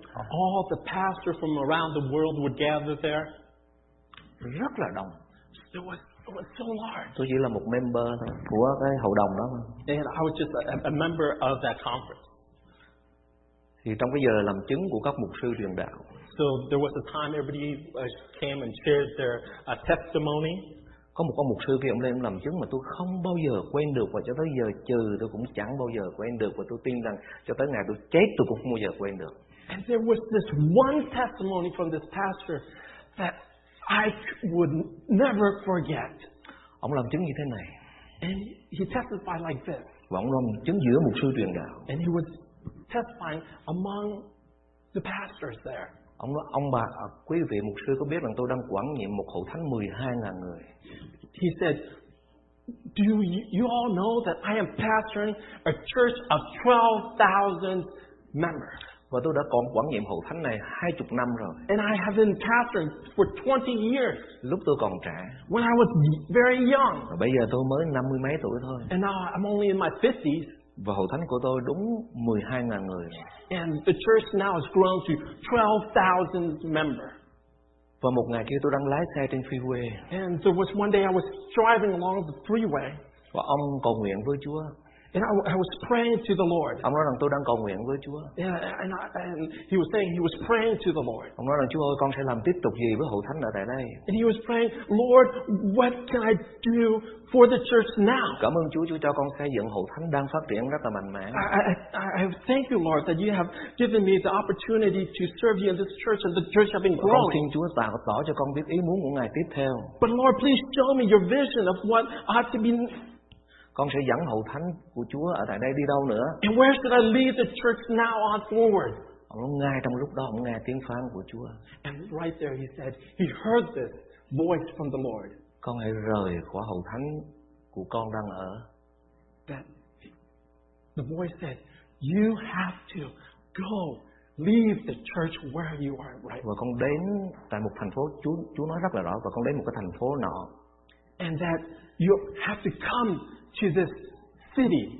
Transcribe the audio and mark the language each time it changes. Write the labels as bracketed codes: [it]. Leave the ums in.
[en] All the pastors from around the world would gather there. [vi] Rất là đông. [en] It was, it was so [vi] Tôi chỉ là một member của cái hội đồng đó. [en] And I was just a, a member of that conference. [vi] Thì trong cái giờ làm chứng của các mục sư truyền đạo. [en] So there was a time everybody came and shared their testimony [vi] có một ông mục sư khi ông lên ông làm chứng mà tôi không bao giờ quên được và cho tới giờ trừ tôi cũng chẳng bao giờ quên được và tôi tin rằng cho tới ngày tôi chết tôi cũng không bao giờ quên được. [en] And there was this one testimony from this pastor that I would never forget. [vi] Ông làm chứng như thế này. [en] And he, he testified like this. [vi] Và ông làm chứng giữa mục sư truyền đạo. [en] And he was testifying among the pastors there. [vi] Ông nói, ông bà, à, quý vị mục sư có biết rằng tôi đang quản nhiệm một hội thánh 12 ngàn người. [en] He said, do you, you all know that I am pastoring a church of 12,000 members? [vi] Và tôi đã còn quản nhiệm hội thánh này 20 năm rồi. [en] And I have been pastoring for 20 years. [vi] Lúc tôi còn trẻ. [en] When I was very young. [vi] Và bây giờ tôi mới năm mươi mấy tuổi thôi. [en] And now I'm only in my 50s [vi] và hội thánh của tôi đúng 12.000 người. [en] And the church now has grown to 12,000 members. [vi] Và một ngày kia tôi đang lái xe trên freeway. [en] And there was one day I was driving along the freeway. [vi] Và ông cầu nguyện với Chúa. [en] And I, I was praying to the Lord. [vi] Ông nói rằng tôi đang cầu nguyện với Chúa. [en] Yeah, and, I, and he was saying he was praying to the Lord. [vi] Ông nói rằng Chúa ơi, con sẽ làm tiếp tục gì với hội thánh ở tại đây? [en] And he was praying, Lord, what can I do for the church now? [vi] Cảm ơn Chúa, Chúa cho con xây dựng hội thánh đang phát triển rất là mạnh mẽ. [en] I, I, I, I, thank you, Lord, that you have given me the opportunity to serve you in this church and the church has been growing. [vi] Con xin Chúa tạo tỏ cho con biết ý muốn của Ngài tiếp theo. [en] But Lord, please show me your vision of what I have to be [vi] con sẽ dẫn hậu thánh của Chúa ở tại đây đi đâu nữa? [en] And where should I lead the church now on forward? [vi] Ông ngay trong lúc đó ông nghe tiếng phán của Chúa. [en] And right there he said he heard this voice from the Lord. [vi] Con hãy rời khỏi hậu thánh của con đang ở. [en] That the voice said you have to go leave the church where you are right. [vi] Và con đến tại một thành phố Chúa Chúa nói rất là rõ và con đến một cái thành phố nọ. [en] And that you have to come to this city.